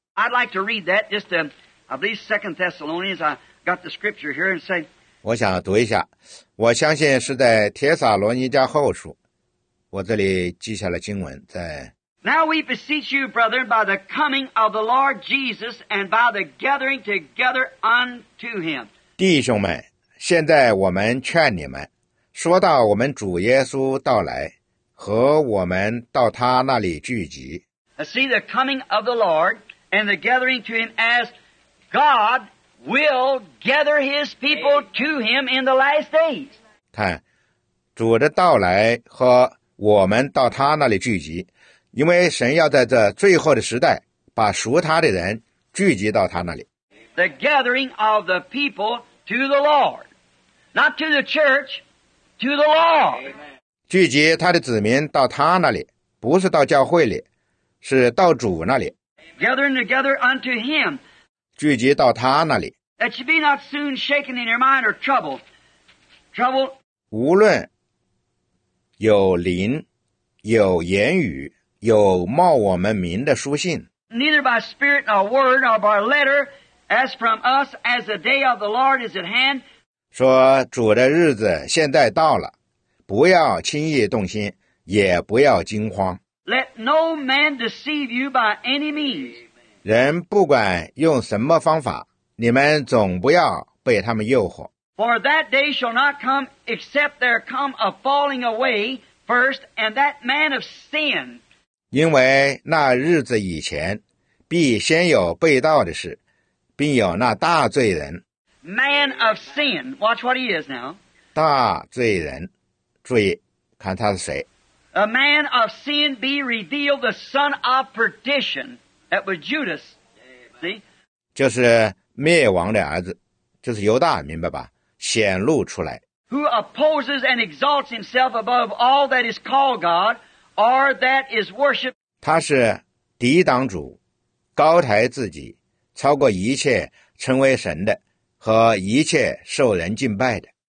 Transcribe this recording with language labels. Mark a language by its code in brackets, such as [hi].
[en] I'd like to read that just to, at least Second Thessalonians. I got the scripture here and say. [zh] 我想读一下，我相信是在《帖撒罗尼迦后书》。我这里记下了经文，在。 [en] Now we beseech you, brethren, by the coming of the Lord Jesus and by the gathering together unto him. [zh] 弟兄们，现在我们劝你们，说到我们主耶稣到来和我们到他那里聚集。 [en] See the coming of the Lord and the gathering to him as God will gather his people to him in the last days. [zh] 看，主的到来和我们到他那里聚集。因为神要在这最后的时代把属他的人聚集到他那里。 [en] The gathering of the people to the Lord. Not to the church, to the Lord. [zh] 聚集他的子民到他那里，不是到教会里，是到主那里。 [en] Gathering together unto him. [zh] 聚集到他那里。 [en] That you be not soon shaken in your mind or troubled. [zh] 无论有灵、有言语、有冒我们名的书信。 [en] Neither by spirit nor word nor by letter, as from us, as the day of the Lord is at hand. [zh] 说主的日子现在到了，不要轻易动心，也不要惊慌。 [en] Let no man deceive you by any means. [zh] 人不管用什么方法，你们总不要被他们诱惑。 [en] For that day shall not come except there come a falling away first, and that man of sin. [zh] 因为那日子以前，必先有被盗的事，并有那大罪人。 [en] Man of sin, watch what he is now. [zh] 大罪人，注意看他是谁。 [en] A man of sin be revealed, the son of perdition. That was Judas. See, [zh] 就是灭亡的儿子，就是犹大，明白吧？显露出来。 [en] Who opposes and exalts himself above all that is called God or that is worshipped? [zh] 他是抵挡主，高抬自己，超过一切称为神的和一切受人敬拜的。